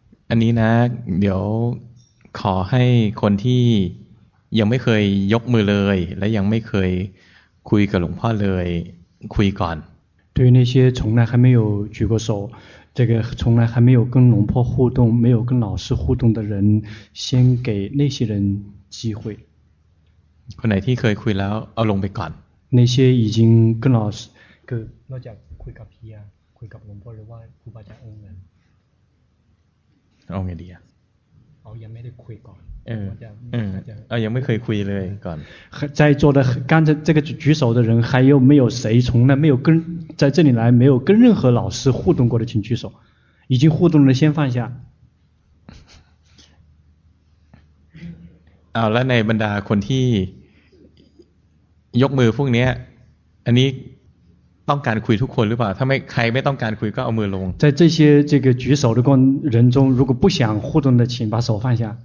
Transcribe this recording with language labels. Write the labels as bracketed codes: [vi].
[th] อันนี้นะเดี๋ยวขอให้คนที่ยังไม่เคยยกมือเลยและยังไม่เคยคุยกับหลวงพ่อเลยคุยก่อน [zh] 对于那些从来还没有举过手这个从来还没有跟龙婆互动没有跟老师互动的人先给那些人机会 [th] คนไหนที่เคยคุยแล้วเอาลงไปก่อน [zh] 那些已经跟老师 [th] ก็นอกจากคุยกับพี่อะคุยกับหลวงพ่อหรือว่าครูบาอาจารย์องค์นั้น เอาไงดีอ่ะ เอายังไม่ได้คุยก่อน เอายังไม่เคยคุยเลยก่อน [zh] 在座的刚才这个举手的人还有没有谁从来没有跟在这里来没有跟任何老师互动过的请举手已经互动了先放下 [th] เอาแล้วในบรรดาคนที่ยกมือพวกนี้อันนี้ต้องการคุยทุกคนหรือเปล่าถ้าไม่ใครไม่ต้องการคุยก็เอามือลง [zh] 在这些这个举手的人中如果不想互动的请把手放下